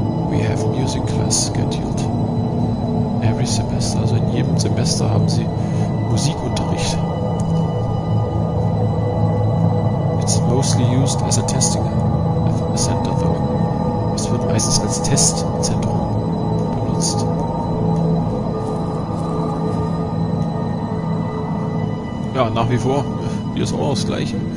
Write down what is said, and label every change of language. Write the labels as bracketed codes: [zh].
[en] We have music class scheduled. Every semester. [de] Also in jedem Semester haben sie Musikunterricht. [en] It's mostly used as a testing center though. [de] Es wird meistens als Testzentrum benutzt. Ja, nach wie vor. Hier ist auch das Gleiche.